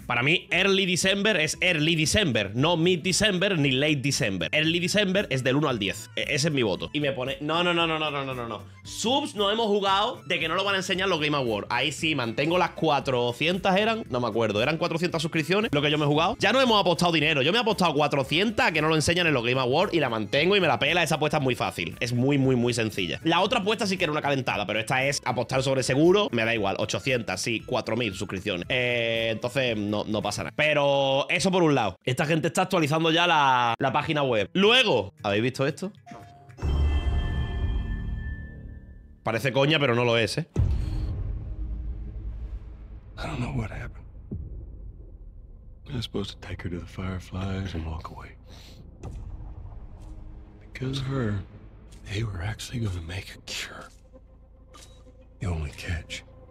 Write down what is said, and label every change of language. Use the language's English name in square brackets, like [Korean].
[Spanish] Para mí, [English] early December [Spanish] es early December, no [English] mid December [Spanish] ni [English] late December. Early December [Spanish] es del 1 al 10. Ese es mi voto. Y me pone... No. Subs no hemos jugado de que no lo van a enseñar los Game Awards. Ahí sí, mantengo las 400, eran... No me acuerdo, eran 400 suscripciones lo que yo me he jugado. Ya no hemos apostado dinero. Yo me he apostado 400 a que no lo enseñan en los Game Awards y la mantengo y me la pela. Esa apuesta es muy fácil. Es muy, muy, muy sencilla. La otra apuesta sí que era una calentada, pero esta es apostar sobre seguro. Me da igual, 800. Sí, 4.000 suscripciones. Entonces no pasa nada. Pero eso por un lado. Esta gente está actualizando ya la página web. Luego, ¿habéis visto esto? Parece coña, pero no lo es, ¿eh? [English] I don't know what happened. I was supposed to take her to the fireflies and walk away. Because of her, they were actually going to make a cure. The only catch.